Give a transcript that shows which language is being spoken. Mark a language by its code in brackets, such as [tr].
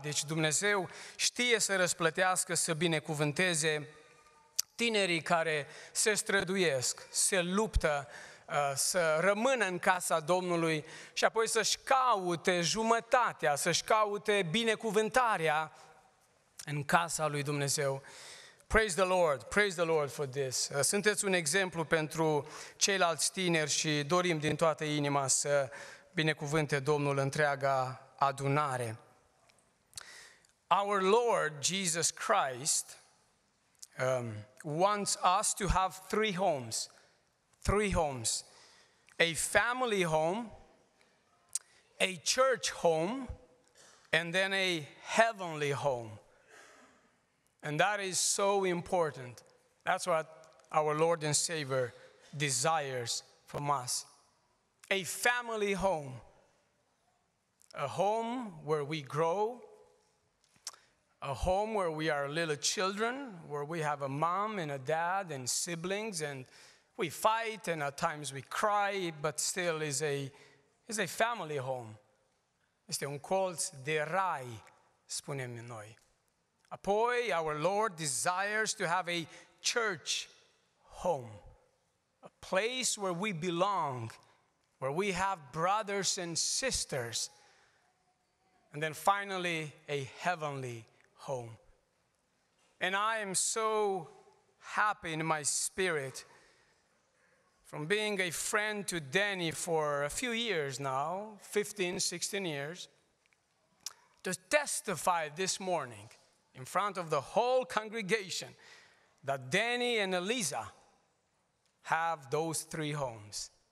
[ro] Deci Dumnezeu știe să răsplătească, să binecuvânteze tinerii care se străduiesc, se luptă, să rămână în casa Domnului și apoi să-și caute jumătatea, să-și caute binecuvântarea în casa lui Dumnezeu. [en] Praise the Lord, praise the Lord for this. [ro] Sunteți un exemplu pentru ceilalți tineri și dorim din toată inima să binecuvânte Domnul întreaga adunare. [en] Our Lord Jesus Christ wants us to have three homes. Three homes, a family home, a church home, and then a heavenly home. And that is so important. That's what our Lord and Savior desires from us. A family home, a home where we grow, a home where we are little children, where we have a mom and a dad and siblings and we fight and at times we cry, but still is a family home. [ro] Este un colț de rai, spunem noi. Apoi, [en] our Lord desires to have a church home, a place where we belong, where we have brothers and sisters. And then finally, a heavenly home. And I am so happy in my spirit from being a friend to Danny for a few years now, 15, 16 years, to testify this morning in front of the whole congregation that Danny and Eliza have those three homes.